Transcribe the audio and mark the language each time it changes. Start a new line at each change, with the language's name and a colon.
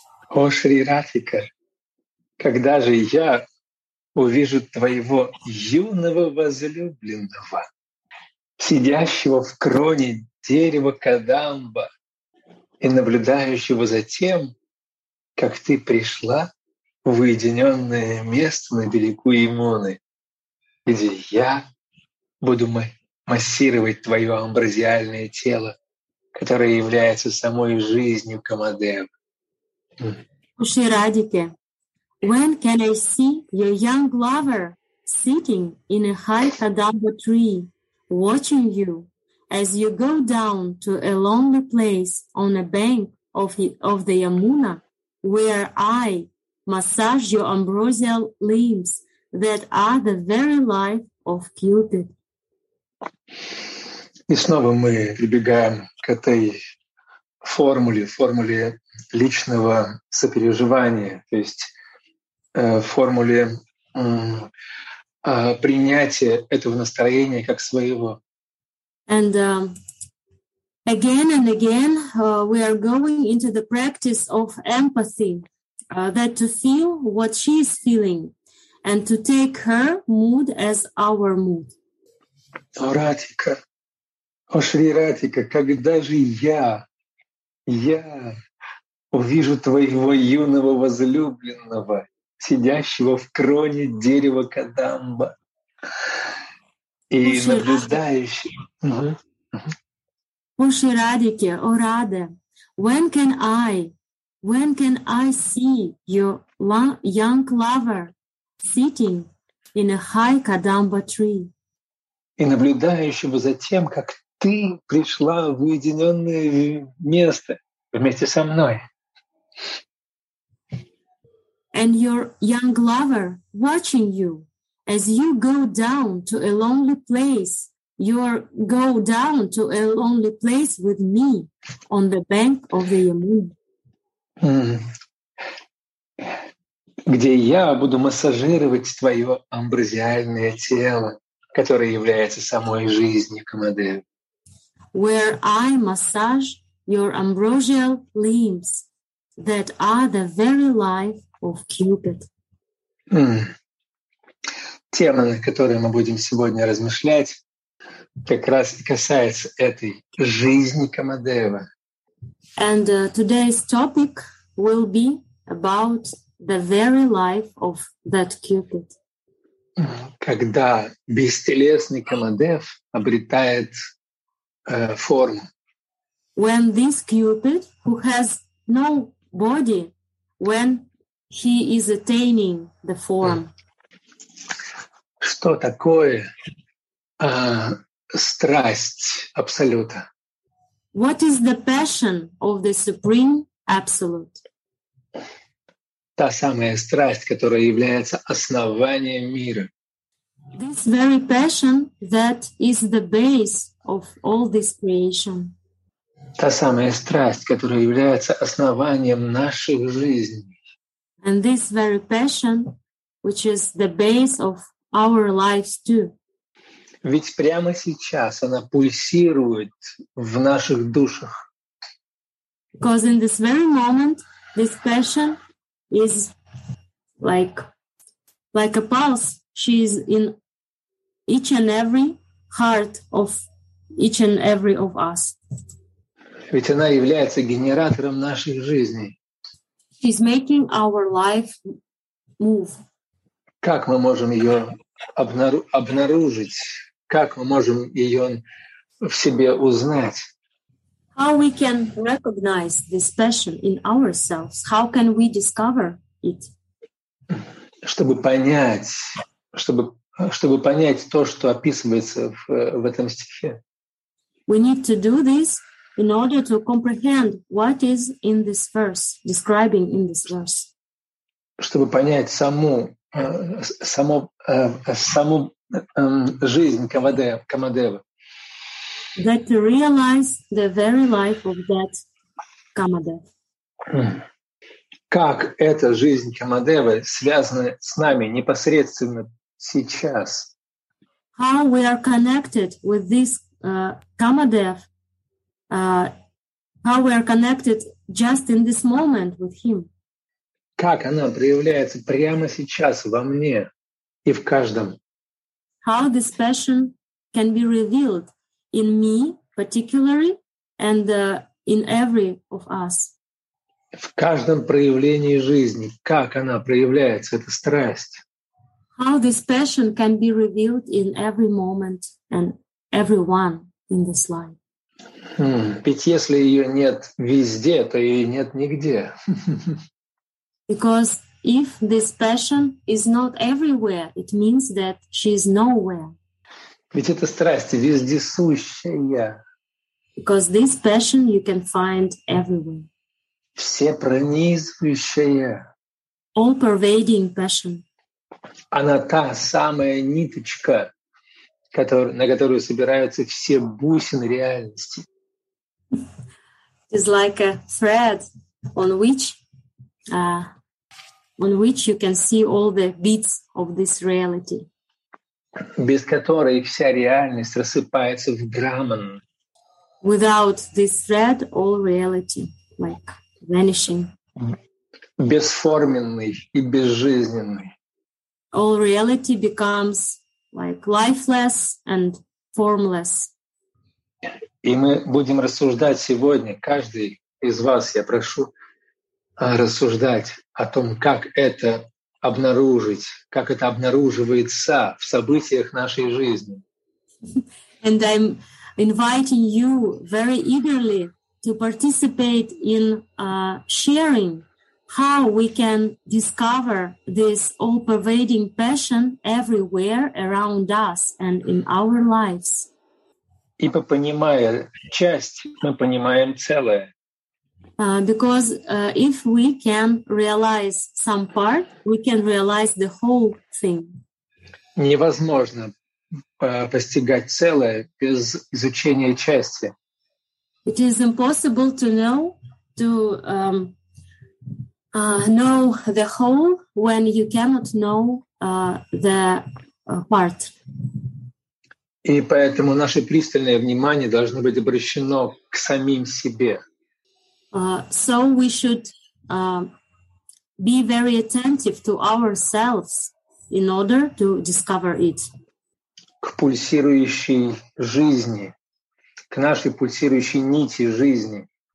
Russian: О, Шри Радхика, когда же я увижу твоего юного возлюбленного, сидящего в кроне дерева Кадамба и наблюдающего за тем, как ты пришла в уединенное место на берегу Ямуны, где я буду массировать твое амбразиальное тело, которое является самой жизнью Камадева.
English: Shri Radhika, when can I see your young lover sitting in a high Kadamba tree, watching you as you go down to a lonely place on a bank of the Yamuna, where I massage your ambrosial limbs that are the very life of Cupid.
Russian: И снова мы прибегаем к этой формуле, формуле личного сопереживания, то есть формуле принятия этого настроения как своего.
English: And again and again, we are going into the practice of empathy, that to feel what she is feeling, and to take her mood as our mood.
Russian: О, Радхика, о, Шри Радхика, когда же я увижу твоего юного возлюбленного, сидящего в кроне дерева Кадамба и наблюдающего.
English: О, Шри Радхика, о, Раде, when can I see your young lover sitting in a high Kadamba tree?
Russian: И наблюдающего за тем, как ты пришла в уединенное место вместе со мной.
English: And your young lover watching you as you go down to a lonely place. With me on the bank of the Yamuna.
Russian: Где я буду массажировать твое амбразиальное тело, которое является самой жизнью Камадевы.
English: Where I massage your ambrosial limbs that are the very life of Cupid.
Russian: Тема, на которой мы будем сегодня размышлять, как раз и касается этой жизни Камадевы.
English: And today's topic will be about the very life of that Cupid.
Russian: Когда бестелесный Камадев обретает форму.
English: When this Cupid, who has no body, when he is attaining the form.
Russian: Что такое страсть Абсолюта?
English: What is the passion of the Supreme Absolute?
Russian: та самая страсть, которая является основанием мира.
English: This very passion that is the base of all this creation.
Russian: Та самая страсть, которая является основанием наших жизней.
English: And this very passion, which is the base of our lives too.
Russian: Ведь прямо сейчас она пульсирует в наших душах.
English: Because in this very moment, this passion is like a pulse. She is in each and every heart of each and every of us.
Russian: Ведь она является генератором наших жизней.
English: She's making our life move.
Russian: Как мы можем ее обнаружить? Как мы можем ее в себе узнать?
English: How we can recognize this passion in ourselves? How can we discover it?
Russian: Чтобы понять то, что описывается в этом стихе.
English: We need to do this in order to comprehend what is in this verse, describing in this verse.
Russian: Чтобы понять саму жизнь Камадева.
English: That to realize the very life of that Камадев.
Russian: Как эта жизнь Камадева связана с нами непосредственно сейчас?
English: How we are connected with this Камадев? How we are connected just in this moment with him?
Russian: Как она проявляется прямо сейчас во мне и в каждом?
English: How this passion can be revealed in me particularly and in every of us?
Russian: В каждом проявлении жизни, как она проявляется, эта страсть?
English: How this passion can be revealed in every moment and everyone in this life?
Russian: Ведь если ее нет везде, то ее нет нигде.
English: Because if this passion is not everywhere, it means that she is nowhere.
Russian: Ведь эта страсть вездесущая.
English: Because this passion you can find everywhere.
Russian: Всепронизывающая.
English: All-pervading passion.
Russian: Она та самая ниточка, на которую собираются все бусины реальности.
English: It's like a thread on which you can see all the bits of this reality.
Russian: Без которой вся реальность рассыпается в граммон.
English: Without this thread, all reality like vanishing.
Russian: Бесформенный и безжизненный.
English: All reality becomes like lifeless and formless.
Russian: И мы будем рассуждать сегодня, каждый из вас, я прошу, рассуждать о том, как это обнаружить, как это обнаруживается в событиях нашей жизни.
English: And I'm inviting you very eagerly to participate in sharing how we can discover this all-pervading passion everywhere around us and in our lives.
Russian: И понимая часть, мы понимаем целое.
English: Because if we can realize some part, we can realize the whole thing.
Russian: Невозможно постигать целое без изучения части.
English: It is impossible to know the whole when you cannot know the part.
Russian: И поэтому наше пристальное внимание должно быть обращено к самим себе.
English: So we should be very attentive to ourselves in order to discover it.
Russian: К пульсирующей жизни, к нашей пульсирующей нити жизни.